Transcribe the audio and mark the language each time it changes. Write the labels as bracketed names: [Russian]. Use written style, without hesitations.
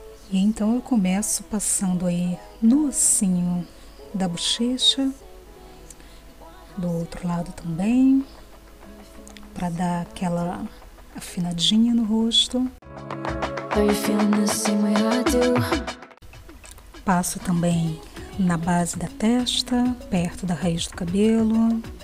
[Portuguese] E então eu começo passando aí no ossinho da bochecha, do outro lado também, para dar aquela afinadinha no rosto. [English] Are you feeling the same way I do? [Portuguese] Passo também na base da testa, perto da raiz do cabelo.